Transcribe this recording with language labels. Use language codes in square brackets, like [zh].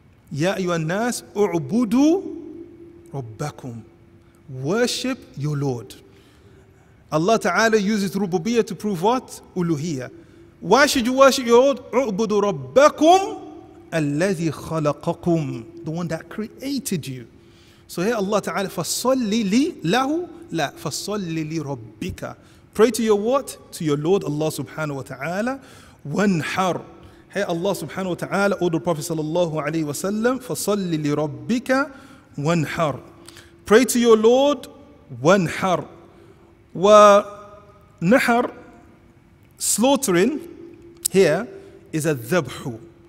[ar] Ya ayyuha an-nas, u'budu rabbakum. [en] Worship your Lord. Allah Ta'ala uses rububiyyah to prove what? Uluhiyyah. Why should you worship your Lord? [ar] U'budu rabbakum alladhi khalaqakum. [en] The one that created you. So here [ar] Allah Ta'ala, فَصَلِّ لِي لَهُ لَا فَصَلِّ لِرَبِّكَ. [en] Pray to your what? To your Lord Allah Subhanahu Wa Ta'ala. وَانْحَرْ. Here Allah Subhanahu Wa Ta'ala, order the Prophet Sallallahu Alaihi Wasallam, [ar] فَصَلِّ لِرَبِّكَ وَانْحَرْ. [en] Pray to your Lord, وَانْحَرْ. وَنَحَرْ, slaughtering here, is a ذَبْحُ.